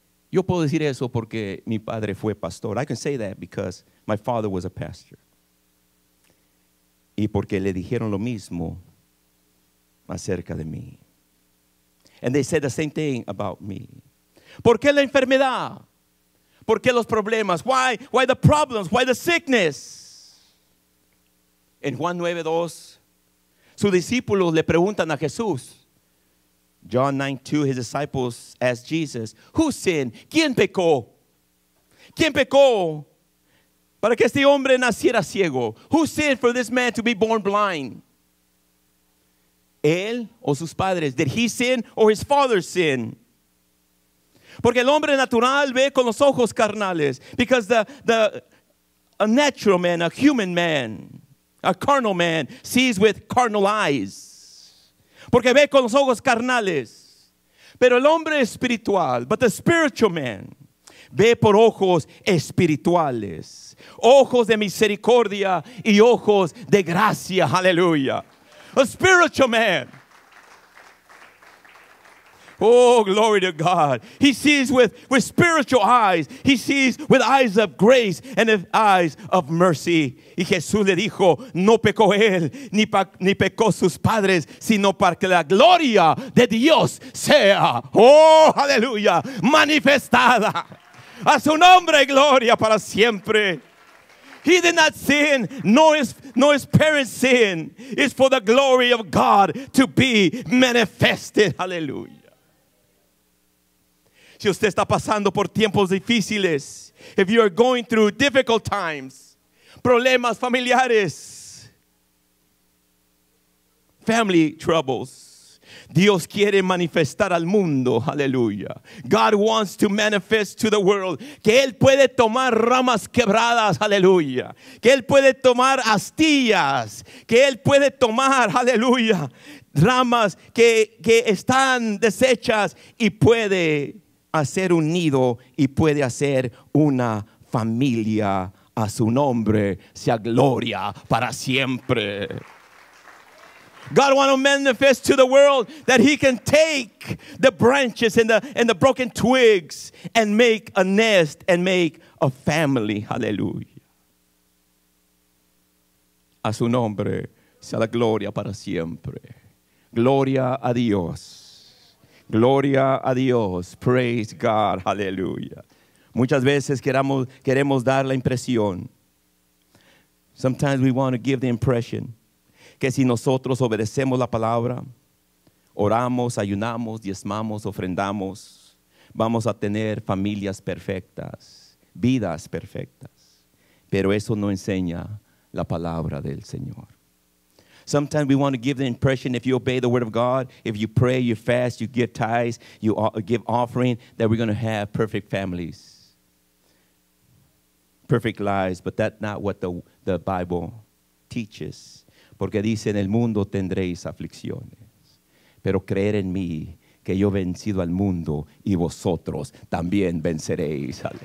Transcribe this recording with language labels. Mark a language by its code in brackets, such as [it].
[es] Yo puedo decir eso porque mi padre fue pastor. [en] I can say that because my father was a pastor. [es] Y porque le dijeron lo mismo acerca de mí. [en] And they said the same thing about me. [es] ¿Por qué la enfermedad? ¿Por qué los problemas? [en] Why the problems? Why the sickness? [es] En Juan 9:2, sus discípulos le preguntan a Jesús. [en] John 9:2, his disciples asked Jesus, who sinned? [es] ¿Quién pecó? ¿Quién pecó para que este hombre naciera ciego? [en] Who sinned for this man to be born blind? [es] ¿Él o sus padres? [en] Did he sin or his father sin? [es] Porque el hombre natural ve con los ojos carnales. [en] Because a natural man, a human man, a carnal man, sees with carnal eyes. [es] Porque ve con los ojos carnales. Pero el hombre espiritual, [en] but the spiritual man, [es] ve por ojos espirituales. Ojos de misericordia y ojos de gracia. [en] Hallelujah. A spiritual man. Oh, glory to God. He sees with spiritual eyes. He sees with eyes of grace and with eyes of mercy. [es] Y Jesús le dijo, no pecó él, ni pecó sus padres, sino para que la gloria de Dios sea, oh, aleluya, manifestada. A su nombre, gloria para siempre. [en] He did not sin, nor his parents sin. It's for the glory of God to be manifested. Hallelujah. [es] Si usted está pasando por tiempos difíciles, [en] if you are going through difficult times, [es] problemas familiares, [en] family troubles, [es] Dios quiere manifestar al mundo, aleluya. [en] God wants to manifest to the world. [es] Que Él puede tomar ramas quebradas, aleluya. Que Él puede tomar astillas. Que Él puede tomar, aleluya, ramas que están deshechas y puede hacer un nido y puede hacer una familia. A su nombre sea gloria para siempre. [en] God wants to manifest to the world that he can take the branches and the broken twigs and make a nest and make a family. Hallelujah. [es] A su nombre sea la gloria para siempre. Gloria a Dios. Gloria a Dios. [en] Praise God. [es] Hallelujah. Muchas veces queremos dar la impresión. [en] Sometimes we want to give the impression [es] que si nosotros obedecemos la palabra, oramos, ayunamos, diezmamos, ofrendamos, vamos a tener familias perfectas, vidas perfectas. Pero eso no enseña la palabra del Señor. [en] Sometimes we want to give the impression if you obey the word of God, if you pray, you fast, you give tithes, you give offering, that we're going to have perfect families, perfect lives, but that's not what the Bible teaches. [es] Porque dice, en el mundo tendréis aflicciones, pero creer en mí, que yo he vencido al mundo y vosotros también venceréis.